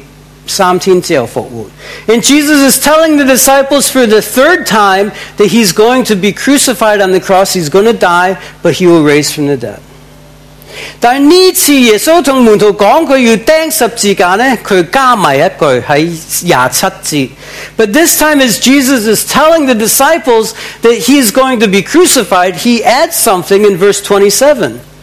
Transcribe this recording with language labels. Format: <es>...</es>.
<zh>耶稣是对门徒讲明，第二次、第三次其实讲明，他要被钉十字架，要死，三天之后复活。</zh> <en>And Jesus is telling the disciples for the third time that he's going to be crucified on the cross, he's going to die, but he will raise from the dead.</en> <zh>但这次耶稣跟门徒说他要钉十字架，他加上一句在27节。</zh> <en>But this time as Jesus is telling the disciples that he's going to be crucified, he adds something in verse 27.</en>